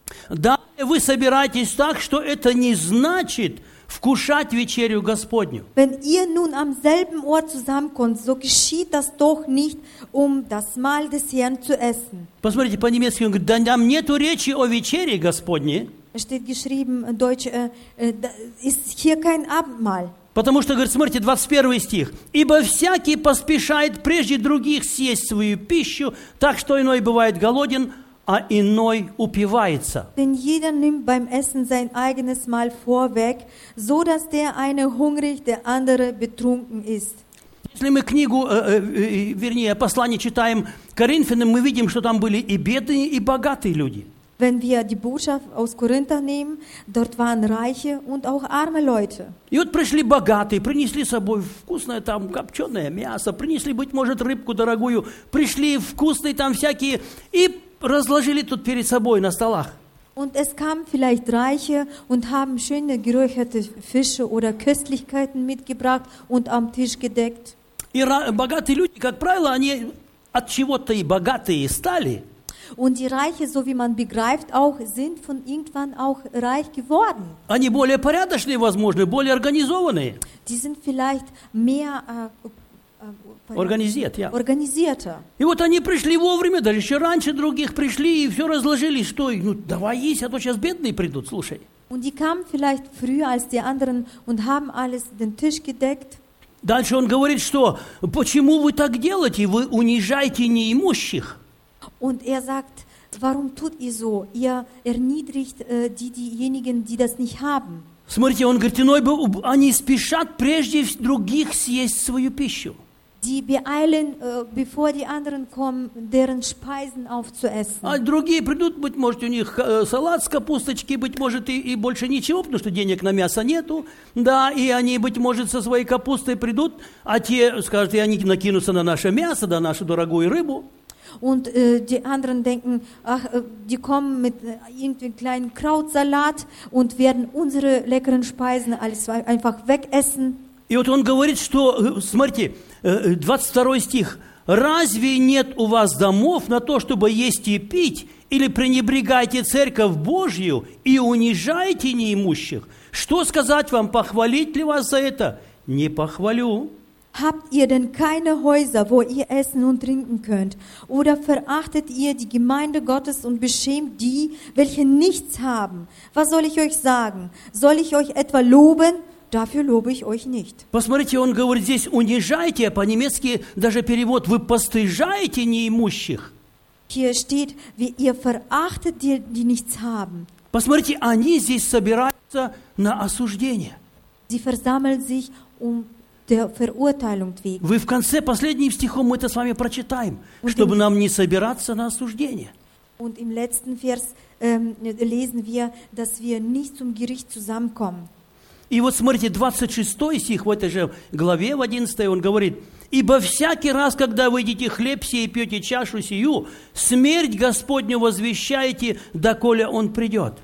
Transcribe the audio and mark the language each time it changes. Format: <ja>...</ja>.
<ru>Далее вы собираетесь так, что это не значит вкушать вечерю Господню.</ru> <de>Wenn ihr nun am selben Ort zusammenkommt, so geschieht das doch nicht, das Mahl des Herrn zu essen.</de> <ru>Посмотрите, по-немецки он говорит, да нам нету речи о вечере Господне.</ru> <de>Steht geschrieben, Deutsch, ist hier kein Abendmahl.</de> <ru>Потому что, говорит, смотрите, 21 стих. «Ибо всякий поспешает прежде других съесть свою пищу, так что иной бывает голоден, а иной упивается».</ru> <de>Denn jeder nimmt beim Essen sein eigenes Mahl vorweg, so dass der eine hungrig, der andere betrunken ist.</de> <ru>Если мы книгу, вернее, послание читаем Коринфянам, мы видим, что там были и бедные, и богатые люди.</ru> <de>Wenn wir die Botschaft aus Korinther nehmen, dort waren reiche und auch arme Leute.</de> <ru>И вот пришли богатые, принесли с собой вкусное там копченое мясо, принесли, быть может, рыбку дорогую, пришли вкусные там всякие и разложили тут перед собой на столах.</ru> <de>Und es kamen vielleicht Reiche und haben schöne geräucherte Fische oder Köstlichkeiten mitgebracht und am Tisch gedeckt.</de> <ru>И богатые люди, как правило, они от чего-то и богатые стали.</ru> <de>Und die Reiche, so wie man begreift, auch sind von irgendwann auch reich geworden.</de> <ru>Они более порядочные, возможно, более организованные.</ru> <de>Die sind vielleicht mehr Organisierter.</de> <ru>И вот они пришли вовремя, даже еще раньше других пришли и все разложили, что, ну, давай есть, а то сейчас бедные придут, слушай.</ru> <de>Und die kamen vielleicht früher als die anderen und haben alles den Tisch gedeckt.</de> <ru>Дальше он говорит, что почему вы так делаете, вы унижаете неимущих.</ru> <de>Und sagt, warum tut ihr so? Ihr erniedrigt diejenigen, die das nicht haben.</de> <ru>Смотрите, он говорит, иной бы, они спешат прежде других съесть свою пищу.</ru> <de>Die beeilen, bevor die anderen kommen, deren Speisen aufzuessen.</de> <ru>А другие придут, быть может, у них салат с капусточки, быть может, и больше ничего, потому что денег на мясо нету. Да, и они, быть может, со своей капустой придут, а те скажут, и они накинутся на наше мясо, на нашу дорогую рыбу.</ru> <de>Und die anderen denken, ach, die kommen mit irgendeinem kleinen Krautsalat und werden unsere leckeren Speisen alles einfach wegessen.</de> <ru>И вот он говорит, что, смотрите, 22 стих. «Разве нет у вас домов на то, чтобы есть и пить, или пренебрегаете церковь Божью и унижаете неимущих? Что сказать вам, похвалить ли вас за это? Не похвалю».</ru> <de>Habt ihr denn keine Häuser, wo ihr essen und trinken könnt? Oder verachtet ihr die Gemeinde Gottes und beschämt die, welche nichts haben? Was soll ich euch sagen? Soll ich euch etwa loben? Dafür lobe ich euch nicht.</de> <ru>Посмотрите, он говорит здесь унижайте, по-немецки даже перевод вы постыжаете неимущих.</ru> <de>Hier steht, wie ihr verachtet die, die nichts haben.</de> <ru>Посмотрите, они здесь собираются на осуждение.</ru> <de>Sie versammeln sich der Verurteilung wegen.</de> <ru>Вы в конце последним стихом мы это с вами прочитаем, und чтобы нам не собираться на осуждение.</ru> <de>Und im letzten Vers lesen wir, dass wir nicht zum Gericht zusammenkommen.</de> <ru>И вот смотрите, 26 стих в этой же главе, в 11, он говорит, «Ибо всякий раз, когда вы едите хлеб сей и пьете чашу сию, смерть Господню возвещаете, доколе Он придет».</ru>